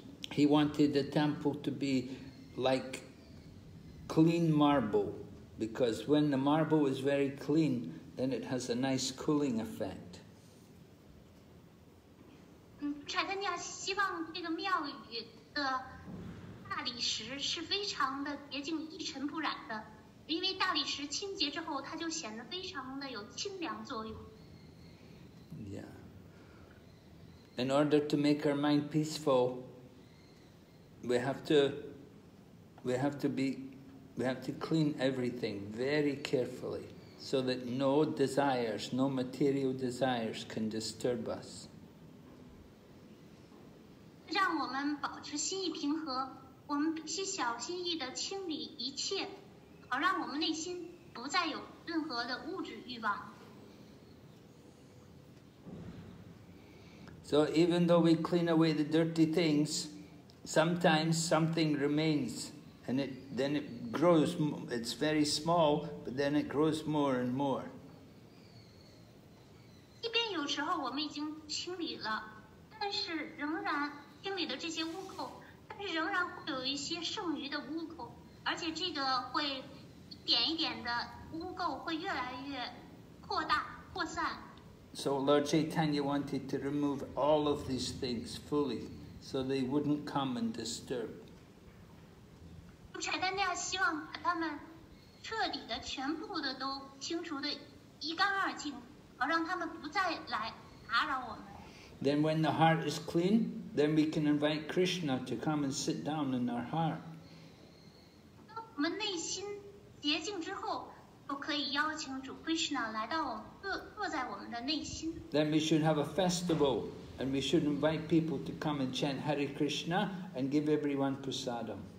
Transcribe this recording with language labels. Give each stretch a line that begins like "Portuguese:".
English: He wanted the temple to be like clean marble. Because when the marble is very clean, then it has a nice cooling effect.
Chinese: Chaitanya 希望这个庙宇的大理石是非常的洁净、一尘不染的，因为大理石清洁之后，它就显得非常的有清凉作用。
English: Yeah. In order to make our mind peaceful, we have to clean everything very carefully so that no desires, no material desires can disturb us.
Chinese: 让我们保持心意平和，我们必须小心翼翼地清理一切，好让我们内心不再有任何的物质欲望。
English: So even though we clean away the dirty things, sometimes something remains and then it grows, it's very small, but then it grows more and more.
Chinese: 一边有时候我们已经清理了，但是仍然清理的这些污垢，但是仍然会有一些剩余的污垢，而且这个会一点一点的污垢会越来越扩大扩散。
English: So Lord Chaitanya wanted to remove all of these things fully, so they wouldn't come and disturb.
Chinese: 柴丹尼亚希望把他们彻底的、全部的都清除的一干二净，好让他们不再来打扰我们。
English: Then when the heart is clean, then we can invite Krishna to come and sit down in our heart.
Chinese: 我们内心洁净之后，都可以邀请主 Krishna 来到我们坐在我们的内心。
English: Then we should have a festival, and we should invite people to come and chant Hare Krishna and give everyone prasadam.